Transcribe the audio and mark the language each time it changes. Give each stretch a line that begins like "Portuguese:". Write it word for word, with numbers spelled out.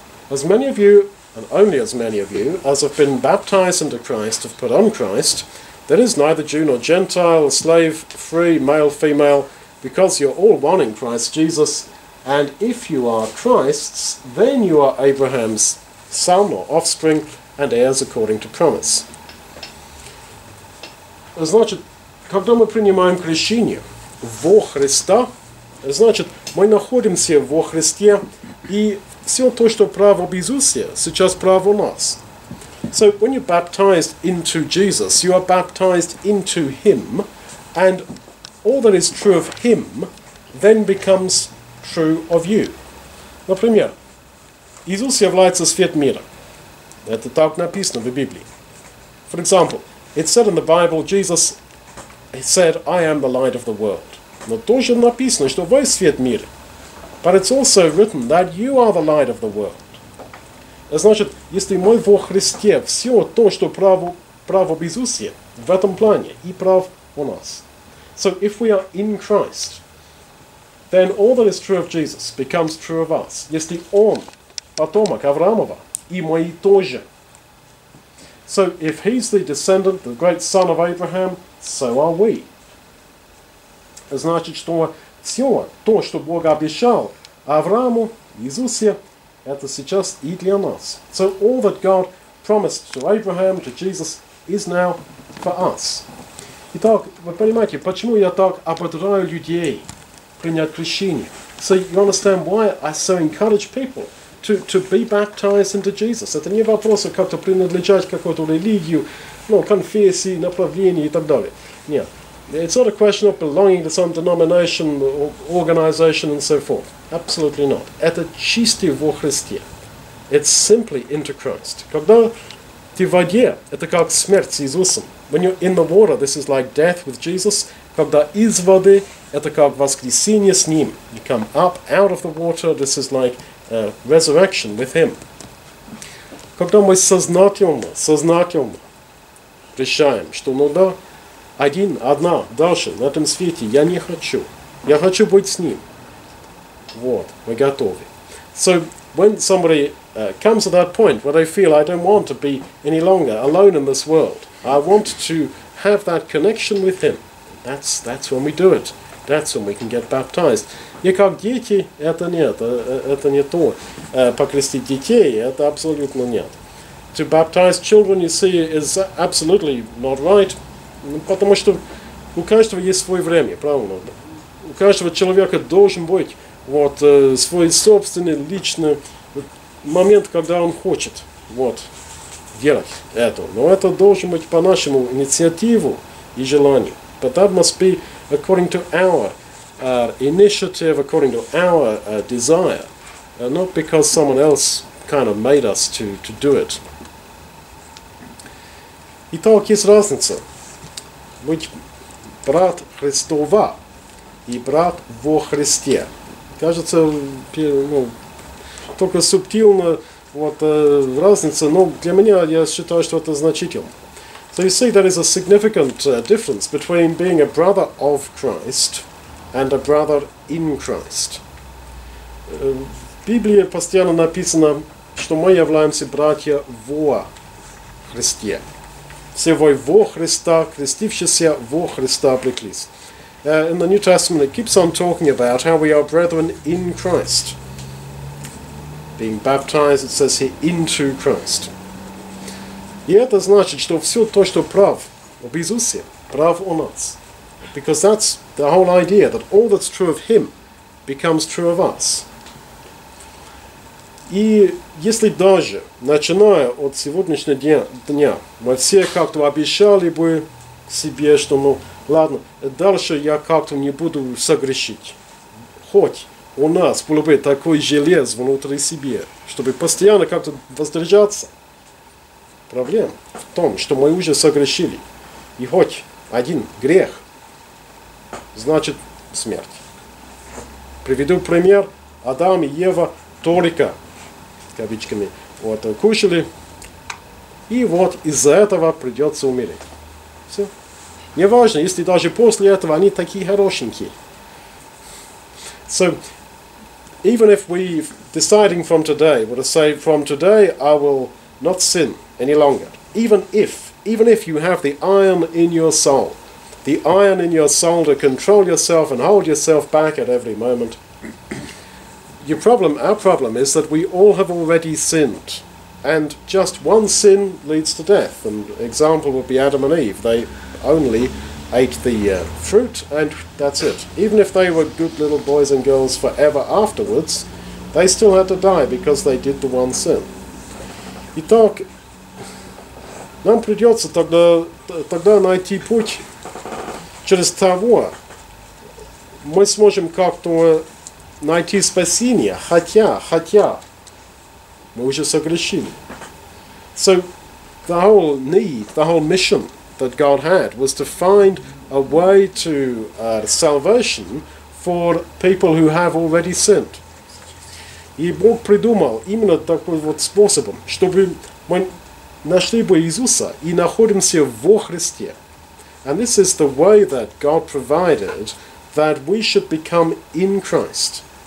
English: As many of you, and only as many of you, as have been baptized into Christ, have put on Christ. There is neither Jew nor Gentile, slave, free, male, female, because you're all one in Christ Jesus. And if you are Christ's, then you are Abraham's son or offspring, and heirs according to promise.
Russian: Значит, когда мы принимаем крещение во Христа, значит, мы находимся во Христе, и все то, что право в Иисусе, сейчас право в нас.
English: So when you're baptized into Jesus, you are baptized into Him, and all that is true of Him then becomes true of you.
Russian: Например, Иисус является свет мира. Это так написано в Библии.
English: For example, it's said in the Bible, Jesus said, I am the light of the world.
Russian: Но тоже написано, что вы свет мира.
English: But it's also written that you are the light of the world.
Russian: Значит, если мы во Христе, все то, что право, право в Иисусе, в этом плане, и прав у нас.
English: So if we are in Christ, then all that is true of Jesus becomes true of us.
Russian: Если Он потомок Авраамова, и мы тоже.
English: So if he's the descendant, the great son of Abraham, so are we.
Russian: Значит, что все то, что Бог обещал Аврааму, Иисусе, это сейчас и для нас.
English: So all that God promised to Abraham, to Jesus, is now for us.
Russian: Итак, вы понимаете, почему я так ободряю людей принять крещение?
English: So you understand why I so encourage people to, to be baptized into Jesus.
Russian: Это не вопрос, как-то принадлежать какой-то религию, ну, конфессии, направлению и так далее. Нет.
English: It's not a question of belonging to some denomination or organization and so forth. Absolutely not.
Russian: Это чисто во Христе.
English: It's simply into Christ.
Russian: Когда ты в воде, это как смерть с Иисусом.
English: When you're in the water, this is like death with Jesus.
Russian: Когда из воды, это как воскресение с Ним.
English: You come up out of the water, this is like uh, resurrection with Him.
Russian: Когда мы сознательно, сознательно решаем, что ну да, один, одна, дальше, на этом свете я не хочу. Я хочу быть с Ним. Вот, мы готовы.
English: So, when somebody uh, comes to that point where they feel I don't want to be any longer alone in this world, I want to have that connection with him. That's that's when we do it. That's when we can get baptized.
Russian: И как дети, это нет, это не то. Покрестить детей, это абсолютно нет.
English: To baptize children, you see, is absolutely not right,
Russian: потому что у каждого есть свое время, правильно? У каждого человека должен быть вот свой собственный личный момент, когда он хочет вот делать это. Но это должен быть по нашему инициативу и желанию.
English: But that must be according to our uh, initiative, according to our uh, desire, uh, not because someone else kind of made us to, to do it.
Russian: Итак, есть разница. Быть брат Христова и брат во Христе. Кажется, ну, только субтильно вот, э, разница, но для меня, я считаю, что это значительно.
English: So you see, there is a significant uh, difference between being a brother of Christ and a brother in Christ.
Russian: Uh, в Библии постоянно написано, что мы являемся братья во Христе. Все вы во Христа, крестившиеся во Христа облеклись.
English: Uh, in the New Testament, it keeps on talking about how we are brethren in Christ. Being baptized, it says here, into Christ.
Russian: И это значит, что все то, что прав об Иисусе, прав о нас.
English: Because that's the whole idea, that all that's true of Him becomes true of us.
Russian: И если даже, начиная от сегодняшнего дня, дня мы все как-то обещали бы себе, что, ну, ладно, дальше я как-то не буду согрешить. Хоть у нас было бы такой желез внутри себя, чтобы постоянно как-то воздержаться. Проблема в том, что мы уже согрешили. И хоть один грех, значит смерть. Приведу пример. Адам и Ева только, кавычками, вот, кушали. И вот из-за этого придется умереть. Все. Не важно, если даже после этого они такие хорошенькие.
English: So, even if we deciding from today, we'll say from today I will not sin any longer. Even if, even if you have the iron in your soul, the iron in your soul to control yourself and hold yourself back at every moment, your problem, our problem is that we all have already sinned. And just one sin leads to death. An example would be Adam and Eve. They only ate the uh, fruit and that's it. Even if they were good little boys and girls forever afterwards, they still had to die because they did the one sin.
Russian: Итак, нам придется тогда, тогда найти путь, через того мы сможем как-то найти спасение, хотя, хотя мы уже согрешили.
English: So the whole need, the whole mission that God had was to find a way to uh, salvation for people who have already sinned.
Russian: И Бог придумал именно такой вот способом, чтобы мы нашли бы Иисуса и находимся во Христе.
English: And this is the way that God provided that we should become in Christ.